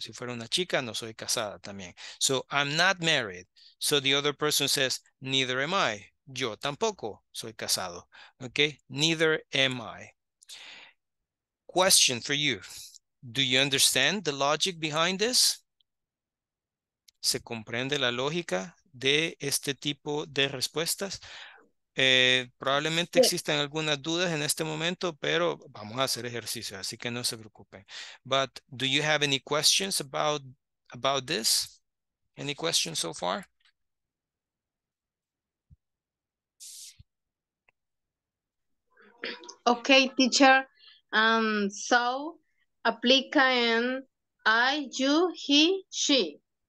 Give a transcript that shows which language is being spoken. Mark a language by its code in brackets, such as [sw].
[es] Si fuera una chica, no soy casada también. [en] So I'm not married. So the other person says, neither am I. [es] Yo tampoco soy casado. [en] Okay? Neither am I. Question for you. Do you understand the logic behind this? [es] ¿Se comprende la lógica de este tipo de respuestas? Probablemente existan algunas dudas en este momento, pero vamos a hacer ejercicio, así que no se preocupen. [en] But do you have any questions about this? Any questions so far? Okay, teacher. So [es] aplica en [en] I, you, he, she.